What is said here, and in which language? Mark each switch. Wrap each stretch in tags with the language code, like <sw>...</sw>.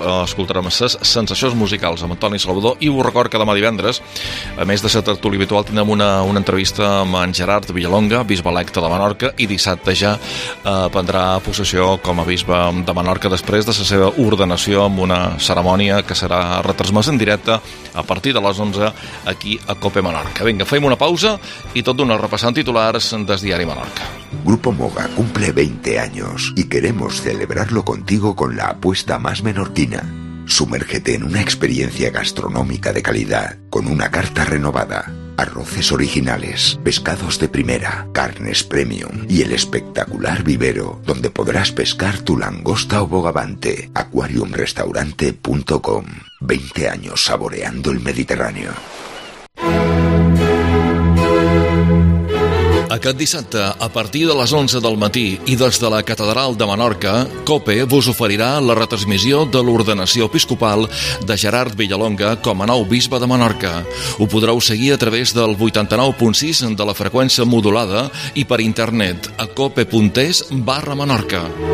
<ca>escoltarem les sensacions musicals amb Antoni Salvador, i us record que demà divendres, a més de la tertúlia habitual, tindrem una entrevista amb en Gerard Villalonga, bisbe electe de Menorca, i dissabte ja prendrà possessió com a bisbe de Menorca després de la seva ordenació amb una cerimònia que serà retransmesa en directe a partir de les 11 aquí a COPE Menorca. Vinga, fem una pausa i tot d'una repassant titulars des diari Menorca.</ca> <es>Grupo Moga cumple 20 años y queremos celebrarlo contigo con la apuesta más menorquina. Sumérgete en una experiencia gastronómica de calidad con una carta renovada. Arroces originales, pescados de primera, carnes premium y el espectacular vivero donde podrás pescar tu langosta o bogavante. AquariumRestaurante.com. 20 años saboreando el Mediterráneo.</es> <ca>Aquest dissabte, a partir de les 11 del matí i des de la Catedral de Menorca, COPE vos oferirà la retransmissió de l'ordenació episcopal de Gerard Villalonga com a nou bisbe de Menorca. Ho podreu seguir a través del 89.6 de la freqüència modulada i per internet a cope.es/Menorca.</ca>